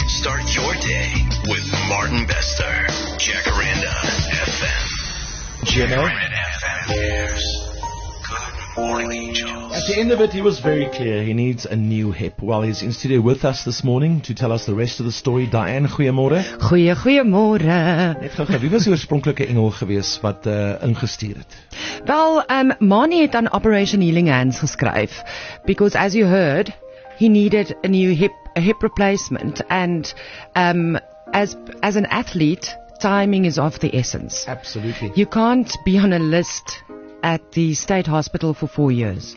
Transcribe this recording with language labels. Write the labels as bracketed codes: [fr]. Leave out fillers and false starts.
[en] Start your day with Martin Bester, Jacaranda FM. Jacaranda FM. Here's Good Morning Angels. At the end of it, he was very clear. He needs a new hip. Well, he's in studio with us this morning to tell us the rest of the story. [af] Diane, goeiemôre. Goeiemôre. Wie was die oorspronklike engel gewees wat ingestuur het? Wel, Marnie het aan Operation Healing Hands geskryf. [en] Because as you heard, he needed a new hip, a hip replacement. And as an athlete, timing is of the essence. Absolutely. You can't be on a list at the state hospital for 4 years.